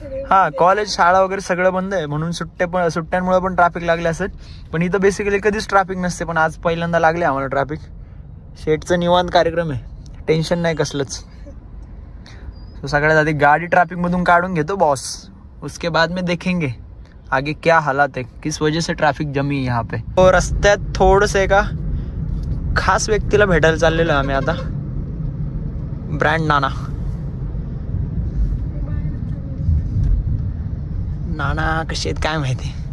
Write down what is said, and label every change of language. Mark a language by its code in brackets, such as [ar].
[mr] हा कॉलेज शाळा वगैरे सगळं बंद आहे म्हणून सुट्ट्यांमुळे पण ट्रॅफिक लागले असेल. पण इथं बेसिकली कधीच ट्रॅफिक नसते पण आज पहिल्यांदा लागले आम्हाला ट्रॅफिक. शेटचं निवांत कार्यक्रम आहे. टेन्शन नाही कसलंच. सगळ्यात आधी गाडी ट्रॅफिक मधून काढून घेतो बॉस. [hi] उसके बाद में देखेंगे आगे क्या हालात है किस वजह से ट्रॅफिक जमी यहाँ पे. [mr] रस्त्यात थोडस एका खास व्यक्तीला भेटायला चाललेलो आम्ही आता. ब्रँड नाना. नाना कशी आहेत काय माहिती.